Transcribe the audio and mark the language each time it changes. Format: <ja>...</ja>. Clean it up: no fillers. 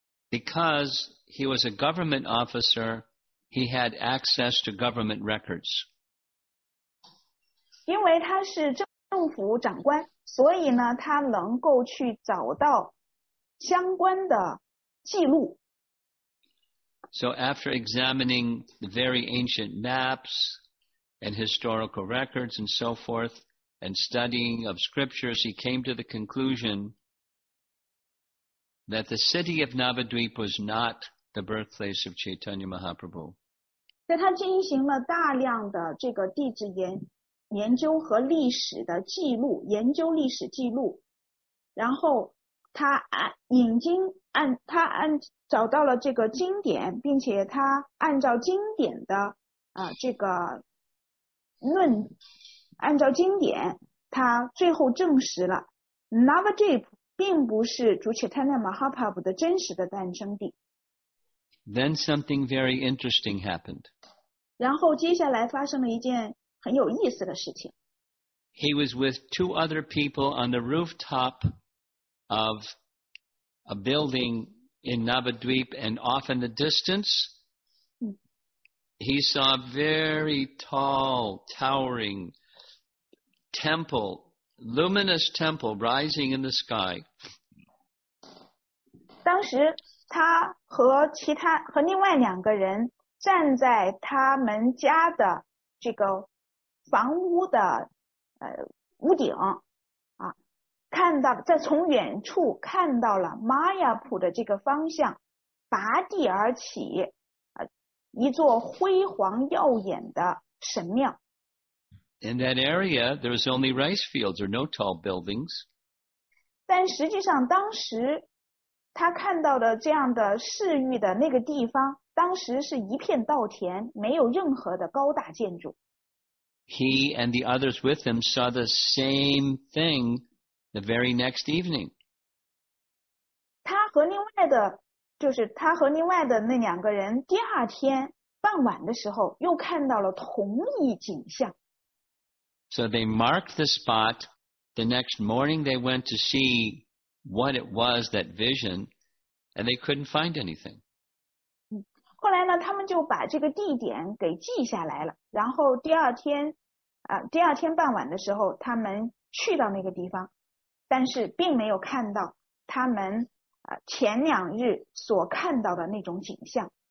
<en>Because he was a government officer, he had access to government records.</en> <zh>因为他是政府长官，所以呢，他能够去找到相关的记录。</zh> <en>So after examining the very ancient maps and historical records and so forth, and studying of scriptures, he came to the conclusion that the city of Navadvip was not the birthplace of Chaitanya Mahaprabhu.</en> <zh>在他进行了大量的这个地质研究和历史的记录，研究历史记录，然后他引经按他按找到了这个经典，并且他按照经典的这个论，按照经典，他最后证实了 Navadvip 并不是主切坦尼马哈帕布的真实的诞生地。</zh> <en>Then something very interesting happened.</en> <zh>然后接下来发生了一件很有意思的事情。</zh> <en>He was with two other people on the rooftop of a building. In Navadvip, and off in the distance, he saw a very tall, towering temple, luminous temple rising in the sky.</en> <zh>当时他和其他和另外两个人站在他们家的这个房屋的屋顶。看到在从远处看到了 Mayapur 的这个方向拔地而起一座辉煌耀眼的神庙。</zh> <en>in that area, there was only rice fields or no tall buildings.</en> <zh>但实际上当时他看到的这样的市域的那个地方当时是一片稻田没有任何的高大建筑。</zh> <en>He and the others with him saw the same thing the very next evening.</en> <zh>他和另外的就是他和另外的那两个人第二天傍晚的时候又看到了同一景象。</zh> <en>So they marked the spot. The next morning they went to see what it was, that vision, and they couldn't find anything.</en> <zh>后来呢他们就把这个地点给记下来了然后第二天傍晚的时候他们去到那个地方但是并没有看到他们前两日所看到的那种景象。</zh>